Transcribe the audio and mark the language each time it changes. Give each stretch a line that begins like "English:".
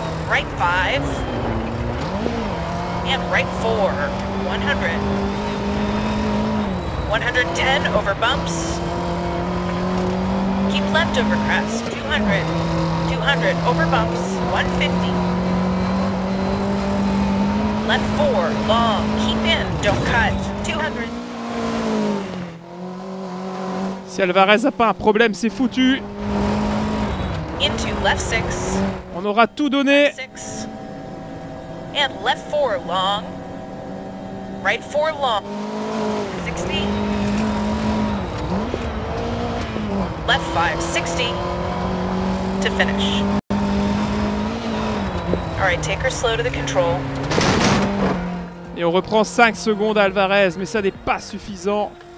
English: Right 5, and right 4, 100, 110 over bumps, keep left over crest, 200, 200 over bumps, 150, left 4, long, keep in, don't cut, 200.
French: Si Alvarez n'a pas un problème, c'est foutu.
English: Into left 6.
French: On aura tout donné.
English: Left 6. And left 4 long. Right 4 long. 60. Left 5, 60. To finish. Alright, take her slow to the control.
French: Et on reprend 5 secondes à Alvarez, mais ça n'est pas suffisant.